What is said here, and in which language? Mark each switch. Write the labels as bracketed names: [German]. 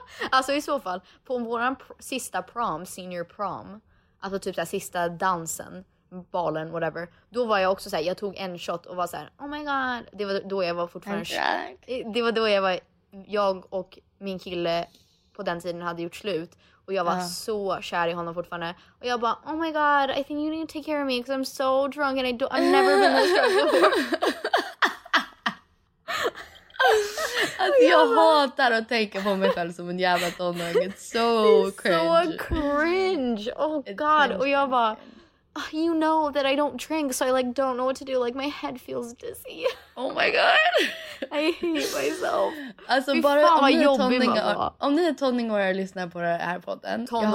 [Swedish] Alltså i så fall, på våran sista prom, senior prom, alltså typ såhär sista dansen, balen, whatever, då var jag också såhär, jag tog en shot och var såhär, oh my god. Det var då jag var fortfarande det var då jag var, jag och min kille på den tiden hade gjort slut. Och jag var så kär i honom fortfarande. Och jag bara, [English] oh my god, I think you need to take care of me. Because I'm so drunk and I've never been this drunk before. [Swedish] Alltså jag hatar att tänka på mig själv som en jävla tonåring. [English] It's so cringe. It's so cringe. Oh god. [Swedish] Och jag bara, [English] you know that I don't drink. So I like don't know what to do. Like my head feels dizzy. Oh my god. I hate myself. [Swedish] Alltså fan, bara om ni är tonåringar och lyssnar på det här podden.